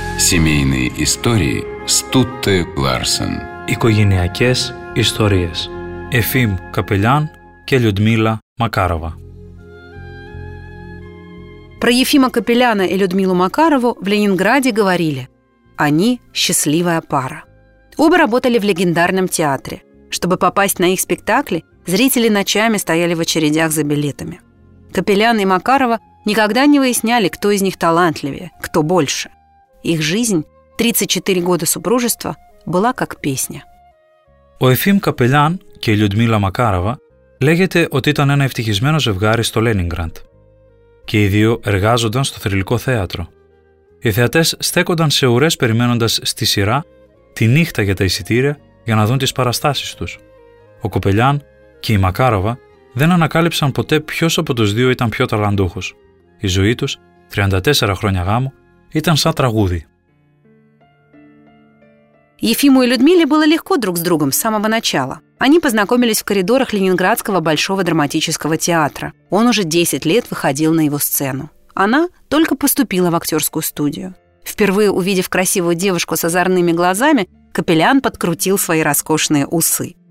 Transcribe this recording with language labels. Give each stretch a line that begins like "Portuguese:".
Russian: Семейные истории Стутте Ларсен.
Greek: Οικογενειακές ιστορίες. Εφήμ Καπελιάν και Λιουντμίλα Μακάροβα.
Russian: Про Ефима Капеляна и Людмилу Макарову в Ленинграде говорили: «Они – счастливая пара». Оба работали в легендарном театре. Чтобы попасть на их спектакли, зрители ночами стояли в очередях за билетами. Капелян и Макарова никогда не выясняли, кто из них талантливее, кто больше. Их жизнь, 34 года супружества, была как песня.
Greek: Ο Εφήμ Καπελιάν και η Λιουντμίλα Μακάροβα λέγεται ότι ήταν ένα ευτυχισμένο ζευγάρι στο Λένιγκραντ και οι δύο εργάζονταν στο θρυλικό θέατρο. Οι θεατές στέκονταν σε ουρές περιμένοντας στη σειρά τη νύχτα για τα εισιτήρια για να δουν τις παραστάσεις τους. Ο Καπελιάν και η Μακάροβα δεν ανακάλυψαν ποτέ ποιος από τους δύο ήταν πιο ταλαντούχος. Η ζωή τους, 34 χρόνια γάμου, ήταν σαν τραγούδι.
Russian: Ефиму и Людмиле было легко друг с другом с самого начала. Они познакомились в коридорах Ленинградского Большого драматического театра. Он уже 10 лет выходил на его сцену. Она только поступила в актерскую студию. Впервые увидев красивую девушку с озорными глазами, Капелян подкрутил свои роскошные усы.